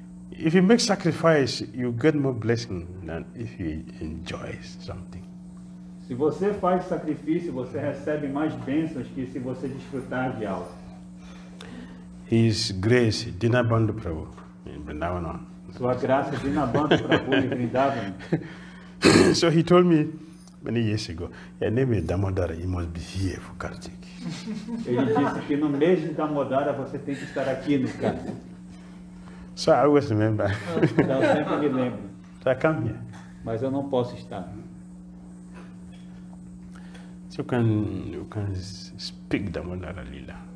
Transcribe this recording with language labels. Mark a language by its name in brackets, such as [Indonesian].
[English] If you make sacrifice, you get more blessing than if you enjoy something. [Portuguese] Se você faz sacrifício, você recebe mais bênçãos que se você desfrutar de algo. [English] His grace, Dinabandhu Prabhu, in Vrindavan. [Portuguese] Sua graça, Dinabandhu Prabhu, [English] in Vrindavan. So he told me many years ago, your name is Damodara, you must be here for Kartik. [Portuguese] Ele disse que no mês de Damodara você tem que estar aqui no Kartik. [English] So I always remember. [Portuguese] Eu sempre me lembro. [English] So I come here. [Portuguese] Mas eu não posso estar. [English] So you can speak Damodara Lila.